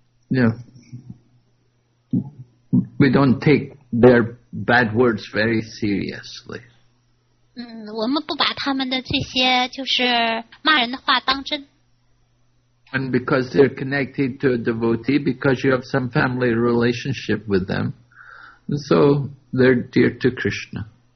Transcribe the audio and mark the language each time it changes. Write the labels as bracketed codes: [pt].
[en] Yeah. We don't take their bad words very seriously. [zh] 我们不把他们的这些就是骂人的话当真 [en] And because they're connected to a devotee, because you have some family relationship with them, so they're dear to Krishna.